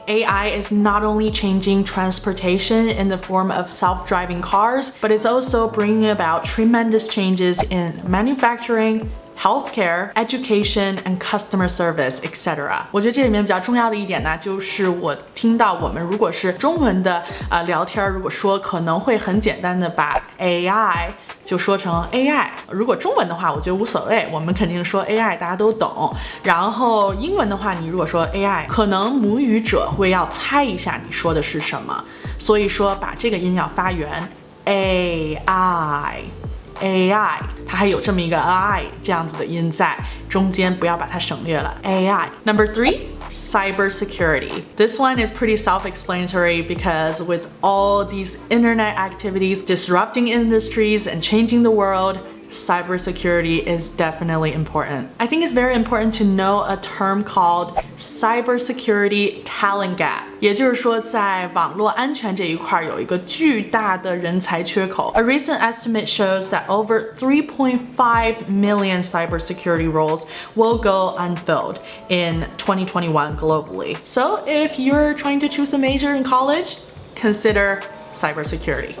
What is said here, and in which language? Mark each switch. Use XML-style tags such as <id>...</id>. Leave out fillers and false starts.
<en>AI is not only changing transportation in the form of self-driving cars, but it's also bringing about tremendous changes in manufacturing,healthcare, education, and customer service, etc.</en> <zh>我觉得这里面比较重要的一点呢，就是我听到我们如果是中文的聊天，如果说可能会很简单的把 AI 就说成 AI， 如果中文的话我觉得无所谓，我们肯定说 AI 大家都懂，然后英文的话你如果说 AI， 可能母语者会要猜一下你说的是什么，所以说把这个音要发圆， AI AI， 它还有这么一个 I 这样子的音在中间，不要把它省略了。</zh> <en>AI number three, cybersecurity. This one is pretty self-explanatory because with all these internet activities disrupting industries and changing the world. Cybersecurity is definitely important. I think it's very important to know a term called cybersecurity talent gap.</en> <zh>也就是说在网络安全这一块有一个巨大的人才缺口。</zh> <en>A recent estimate shows that over 3.5 million cybersecurity roles will go unfilled in 2021 globally. So if you're trying to choose a major in college, consider... Cybersecurity.</en>